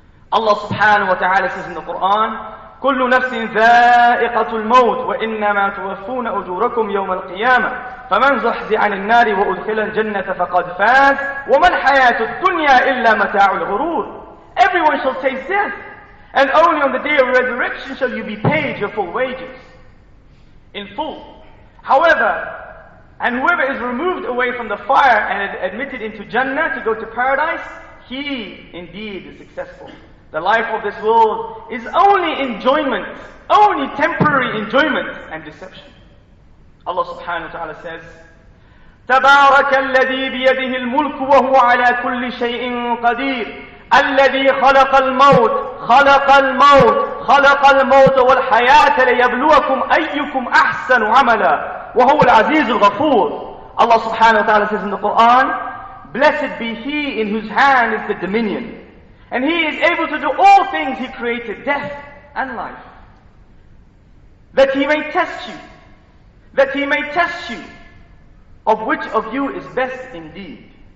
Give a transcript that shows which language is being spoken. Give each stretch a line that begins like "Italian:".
English: Allah subhanahu wa ta'ala says in the Quran,
Arabic: كُلُّ نَفْسٍ ذَائِقَةُ الْمَوْتِ وَإِنَّمَا تُوَفُّونَ أُجُورَكُمْ يَوْمَ الْقِيَامَةِ فَمَنْ زُحْزِحَ عَنِ النَّارِ وَأُدْخِلَ الْجَنَّةَ فَقَدْ فَازَ وَمَا الْحَيَاةُ الدُّنْيَا إِلَّا مَتَاعُ الْغُرُورِ.
English: Everyone shall taste death, and only on the day of resurrection shall you be paid your full wages in full. However, and whoever is removed away from the fire and admitted into Jannah to go to paradise, he indeed is successful. The life of this world is only enjoyment, only temporary enjoyment and deception. Allah subhanahu wa ta'ala says,
Arabic: تَبَارَكَ الَّذِي بِيَدِهِ الْمُلْكُ وَهُوَ عَلَىٰ كُلِّ شَيْءٍ قَدِيرٍ الَّذِي خَلَقَ الْمَوْتِ خَلَقَ الْمَوْتِ خَلَقَ الْمَوْتَ وَالْحَيَاةَ لَيَبْلُوَكُمْ أَيُّكُمْ أَحْسَنُ عَمَلًا وَهُوَ الْعَزِيزُ الْغَفُورُ.
English: Allah subhanahu wa ta'ala says in the Quran, blessed be He in whose hand is the dominion. And He is able to do all things He created, death and life. That He may test you. That He may test you of which of you is best indeed.